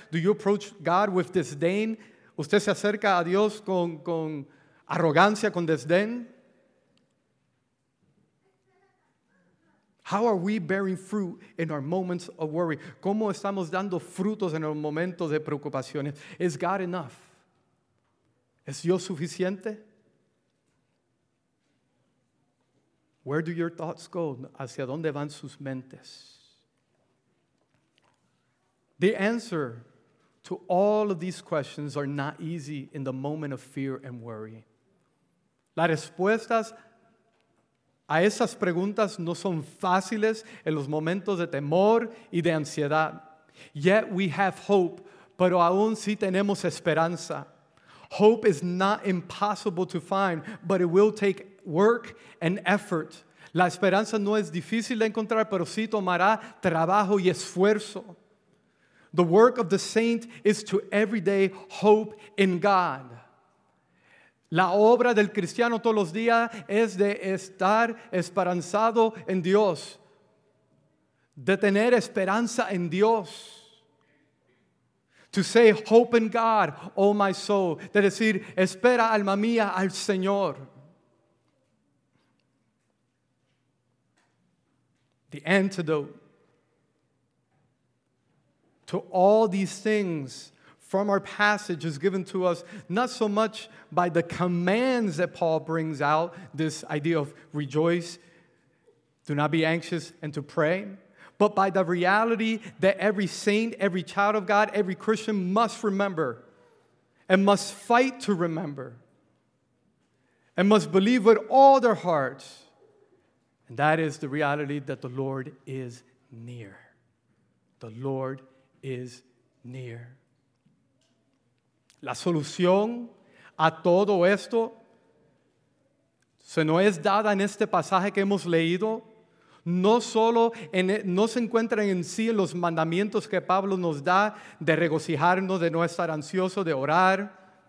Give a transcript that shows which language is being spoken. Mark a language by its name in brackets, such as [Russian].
[English] Do you approach God with disdain? [Spanish] ¿Usted se acerca a Dios con arrogancia, con desdén? [English] How are we bearing fruit in our moments of worry? [Spanish] ¿Cómo estamos dando frutos en los momentos de preocupaciones? [English] Is God enough? [Spanish] ¿Es Dios suficiente? [English] Where do your thoughts go? [Spanish] ¿Hacia dónde van sus mentes? [English] The answer to all of these questions are not easy in the moment of fear and worry. [Spanish] Las respuestas a esas preguntas no son fáciles en los momentos de temor y de ansiedad. [English] Yet we have hope, [Spanish] pero aún sí tenemos esperanza. [English] Hope is not impossible to find, but it will take work and effort. [Spanish] La esperanza no es difícil de encontrar, pero sí tomará trabajo y esfuerzo. [English] The work of the saint is to every day hope in God. [Spanish] La obra del cristiano todos los días es de estar esperanzado en Dios. De tener esperanza en Dios. [English] To say hope in God, oh my soul. [Spanish] De decir, espera alma mía al Señor. [English] The antidote to all these things from our passage is given to us not so much by the commands that Paul brings out, this idea of rejoice, do not be anxious, and to pray, but by the reality that every saint, every child of God, every Christian must remember and must fight to remember and must believe with all their hearts. And that is the reality that the Lord is near. The Lord is near. [Spanish] La solución a todo esto se nos es dada en este pasaje que hemos leído. No se encuentra en sí en los mandamientos que Pablo nos da de regocijarnos, de no estar ansioso, de orar.